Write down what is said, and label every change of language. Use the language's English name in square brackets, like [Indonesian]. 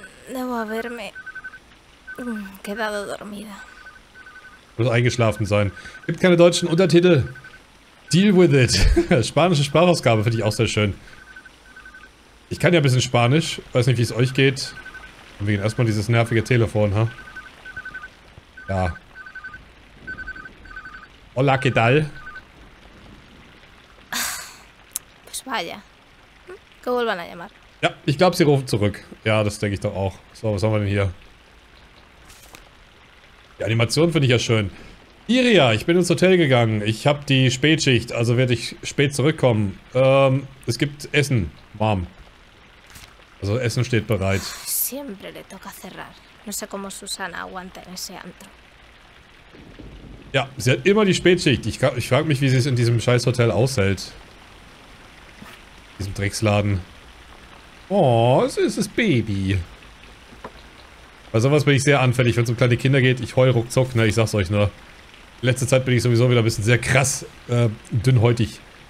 [Spanish] Debo haberme quedado dormida. [German] Muss eingeschlafen sein. Gibt keine deutschen Untertitel. [English] Deal with it. [German] Spanische Sprachausgabe finde ich auch sehr schön. Ich kann ja ein bisschen Spanisch. Weiß nicht, wie es euch geht. Und wir gehen erstmal dieses nervige Telefon, ha? Huh? Ja. [Spanish] Hola, ¿qué tal? Pues vaya. ¿Qué vuelvan a llamar? [German] Ja, ich glaube, sie rufen zurück. Ja, das denke ich doch auch. So, was haben wir denn hier? Die Animation finde ich ja schön. Iria, ich bin ins Hotel gegangen. Ich habe die Spätschicht, also werde ich spät zurückkommen. Es gibt Essen. Warm. Also, Essen steht bereit. [Spanish] Siempre le toca cerrar. No sé cómo Susana aguanta en ese antro. [German] Ja, sie hat immer die Spätschicht. Ich frage mich, wie sie es in diesem Scheißhotel aushält. In diesem Drecksladen. Oh, süßes Baby. Bei sowas bin ich sehr anfällig, wenn es um kleine Kinder geht. Ich heul ruckzuck, ne, ich sag's euch nur. Letzte Zeit bin ich sowieso wieder ein bisschen sehr krass dünnhäutig.